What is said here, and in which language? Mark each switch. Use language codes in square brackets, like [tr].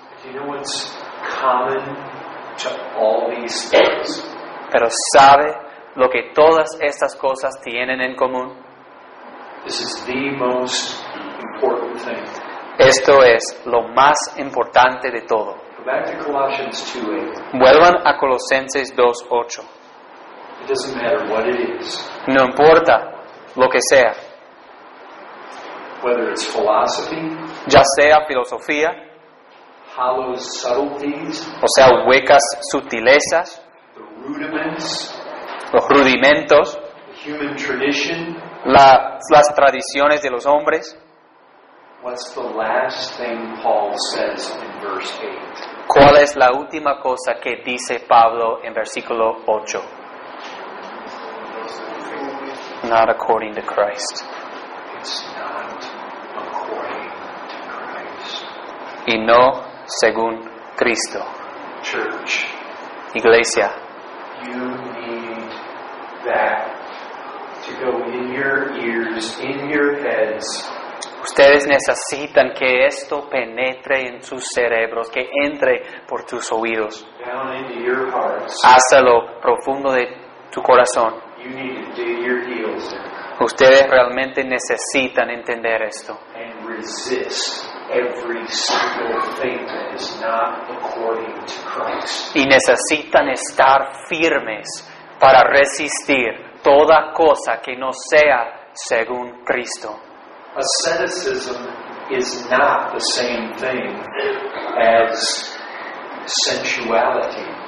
[en] You know what's common to all these things? [es] Pero ¿sabe lo que todas estas cosas tienen en común? [en] This is the most important thing. [es] Esto es lo más importante de todo. [en] Go back to Colossians 2:8. [es] Vuelvan a Colosenses 2:8. [en] It doesn't matter what it is. [es] No importa lo que sea. [en] Whether it's philosophy, [es] ya sea filosofía, [en] hollow subtleties, [es] o sea, huecas sutilezas, [en] the rudiments, [es] los rudimentos, [en] the human tradition, [es] las tradiciones de los hombres. [en] What's the last thing Paul says in verse 8? [es] ¿Cuál es la última cosa que dice Pablo en versículo 8? [en] Not according to Christ. It's not according to Christ. [es] Y no según Cristo. [en] Church. [es] Iglesia. [en] You need that to go in your ears, in your heads. [es] Ustedes necesitan que esto penetre en sus cerebros, que entre por tus oídos. [en] Down into your hearts. [es] Hasta lo profundo de tu corazón. [en] You need to dig your heels in. [es] Ustedes realmente necesitan entender esto. [en] And resist every single thing that is not according to Christ. [es] Y necesitan estar firmes para resistir toda cosa que no sea según Cristo. [en] Asceticism is not the same thing as sensuality.